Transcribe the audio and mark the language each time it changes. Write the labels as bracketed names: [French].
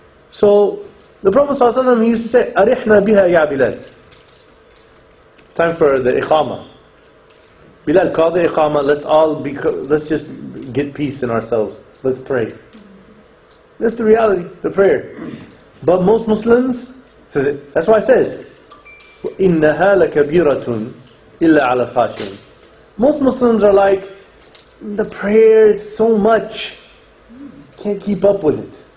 [English] So, the Prophet ﷺ used to say, [Arabic] أَرِحْنَا بِهَا يَا بِلَال. [English] Time for the iqama. Bilal, call the iqama, let's just get peace in ourselves. Let's pray. That's the reality, the prayer. But most Muslims, says it. That's why it says, [Arabic] إِنَّهَا لَكَبِيرَةٌ إِلَّا عَلَى الْخَاشِينَ. [English] Most Muslims are like, the prayer, it's so much. Can't keep up with it.